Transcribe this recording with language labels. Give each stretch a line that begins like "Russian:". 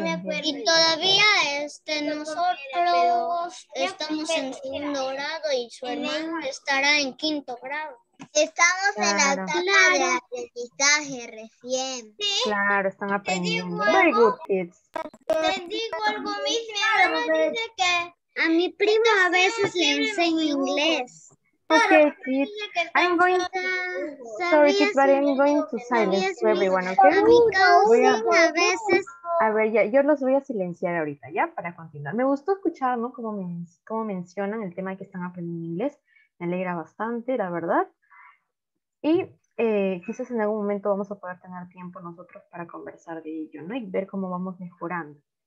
Spanish: Y todavía nosotros estamos en segundo grado y su hermano estará en quinto grado. Estamos en la etapa de aprendizaje recién. ¿Sí? Claro, están aprendiendo.
English: Very good, kids.
Spanish: Te digo algo, mi hermano dice que a mi primo a veces le enseño inglés.
English: Okay, kids. I'm going to. Sorry, kids, but I'm going to silence to everyone. Okay.
Spanish: A veces, yo los voy a silenciar ahorita, ya, para continuar. Me gustó escuchar, ¿no? Cómo mencionan el tema de que están aprendiendo inglés. Me alegra bastante, la verdad. Y quizás en algún momento vamos a poder tener tiempo nosotros para conversar de ello, ¿no? Y ver cómo vamos mejorando.